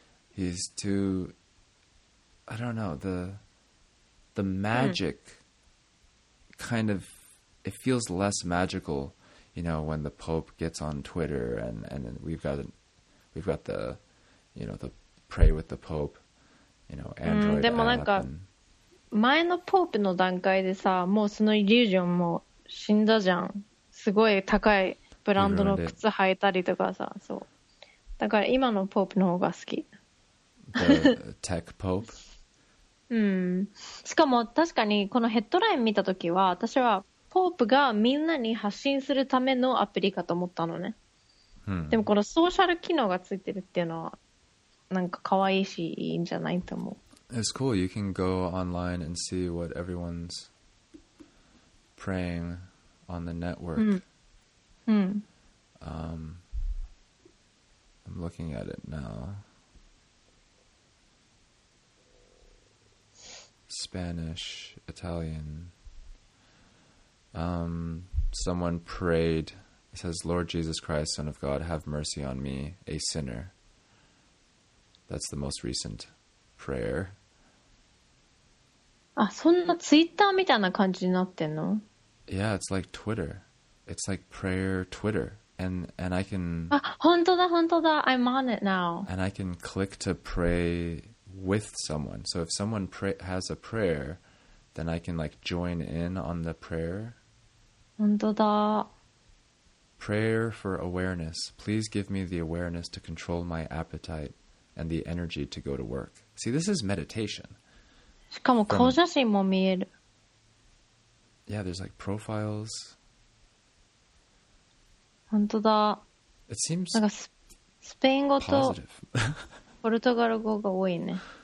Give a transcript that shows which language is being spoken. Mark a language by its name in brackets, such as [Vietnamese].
[English] He's too, I don't know, the magic kind of, it feels less magical. you know, when the Pope gets on Twitter and we've got the, you know, the pray with the Pope, you know, Android app. And... [Japanese] 前のポープの段階でさ、もうそのイリュージョンも死んだじゃん。すごい高いブランドの靴履いたりとかさ、そう。だから今のポープの方が好き。 [English] The tech Pope? [Japanese] しかも確かにこのヘッドライン見たときは、私はポープがみんなに発信するためのアプリかと思ったのね。でもこのソーシャル機能がついてるっていうのは、なんか可愛いし、いいんじゃないと思う。 [English] It's cool. You can go online and see what everyone's praying on the network. I'm looking at it now. Spanish, Italian. Someone prayed. It says, Lord Jesus Christ, Son of God, have mercy on me, a sinner. That's the most recent prayer. [Japanese] あ、そんなツイッターみたいな感じになってんの? [English] Yeah, it's like Twitter. It's like prayer Twitter. And I can... [Japanese] あ、本当だ、本当だ。 [English] I'm on it now. And I can click to pray with someone. So if someone has a prayer, then I can like join in on the prayer. [Japanese] 本当だ。 [English] Prayer for awareness. Please give me the awareness to control my appetite and the energy to go to work. See, this is meditation. [Japanese] しかも顔写真も見える。 [English] Yeah, there's like profiles. [Japanese] 本当だ。 [English] It seems [Japanese] なんかスペイン語とポルトガル語が多いね。